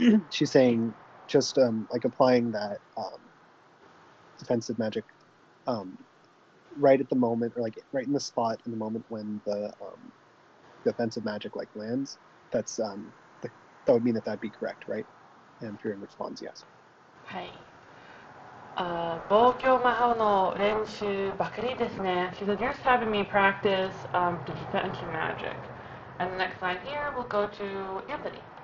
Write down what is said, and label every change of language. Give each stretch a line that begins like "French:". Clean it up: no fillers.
English: She's saying just like applying that defensive magic right at the moment, or like right in the spot in the moment when the defensive magic like lands, that's that would mean that that'd be correct, right? And Fearing responds yes. Hey.
Japanese: 防御魔法の練習ばかりですね。
English: She said, you're just having me practice defensive magic. And the next line here, we'll go to Anthony.